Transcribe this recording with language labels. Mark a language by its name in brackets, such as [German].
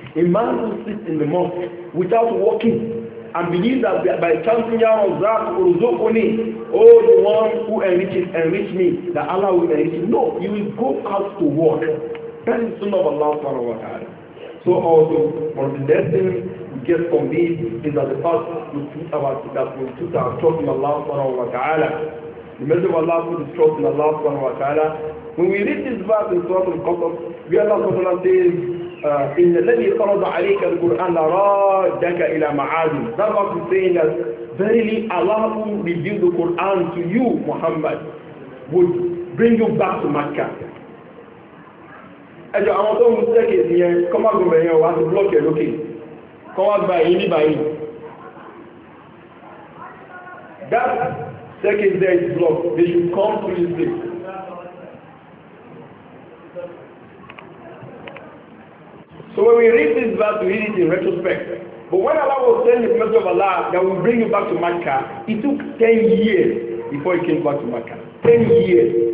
[English] A man who sits in the mosque without walking and believes that by chanting Ya Razzaq Urzuqni, oh the one who enrich me, that Allah will enrich me. No, you will go out to work. That is the sunnah of Allah subhanahu wa ta'ala. So also, one of the lessons we get from this is that the fact that we put our trust in Allah subhanahu wa ta'ala. The message of Allah put his trust in Allah subhanahu wa ta'ala. When we read this verse in Surah Al-Qasas, we Allah subhanahu wa ta'ala says, [Arabic] إِنَّ الَّذِي فَرَضَ عَلَيْكَ الْقُرْآنَ لَرَادَّكَ إِلَى مَعَادٍ. [English] That verse is saying that, verily Allah who revealed the Qur'an to you, Muhammad, would bring you back to Mecca. [Yoruba] Ẹjọ́ àwọn tó ń mú sẹ́kì sí yẹn kọ́mágùn bẹ̀rẹ̀ wá sí búlọ́ọ̀kì ẹ̀ lókè kọ́mágùn bẹ̀rẹ̀ yìí níbàáyì. [English] That sẹ́kì there is block. They should come to this place. So when we read this verse, we read it in retrospect. But when Allah was saying the message of Allah that will bring you back to Mecca, it took 10 years before he came back to Mecca. 10 years.